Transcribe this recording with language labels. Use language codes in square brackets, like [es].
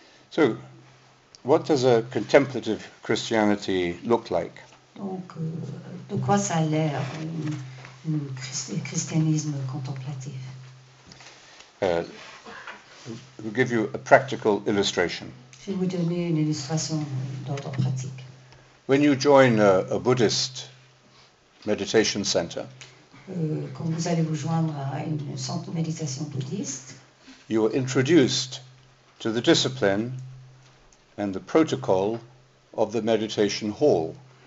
[en] So, what does a contemplative Christianity look like? [fr] Donc, de quoi ça a l'air, un christianisme contemplatif? [en] We'll give you a practical illustration. [fr] Je vais vous donner une illustration d'ordre pratique. [en] When you join a Buddhist meditation center, [fr] quand vous allez vous joindre à un centre de méditation bouddhiste, [en] you are introduced to the discipline and the protocol of the meditation hall.